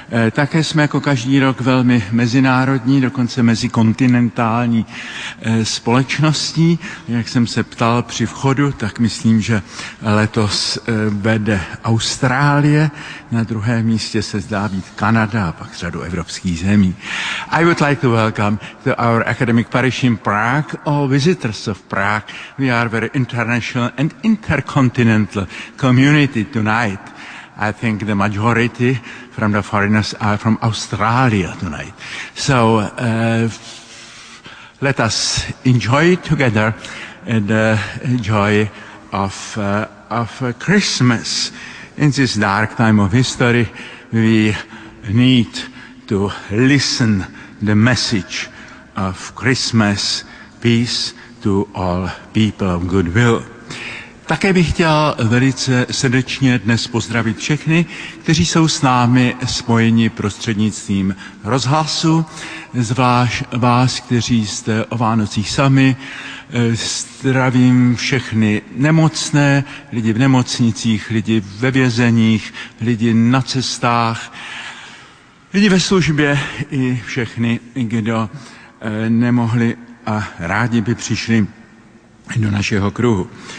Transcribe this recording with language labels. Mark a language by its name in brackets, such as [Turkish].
[Czech] Také jsme jako každý rok velmi mezinárodní, dokonce mezikontinentální společností. Jak jsem se ptal při vchodu, tak myslím, že letos vede Austrálie. Na druhém místě se zdá být Kanada a pak řadu evropských zemí. [English] I would like to welcome to our academic parish in Prague, all visitors of Prague. We are very international and intercontinental community tonight. I think the majority from the foreigners are from Australia tonight. So let us enjoy together the joy of Christmas. In this dark time of history, we need to listen the message of Christmas, peace to all people of goodwill. [Czech] Také bych chtěl velice srdečně dnes pozdravit všechny, kteří jsou s námi spojeni prostřednictvím rozhlasu, zvlášť vás, kteří jste o Vánocích sami. Zdravím všechny nemocné, lidi v nemocnicích, lidi ve vězeních, lidi na cestách, lidi ve službě i všechny, kdo nemohli a rádi by přišli do našeho kruhu.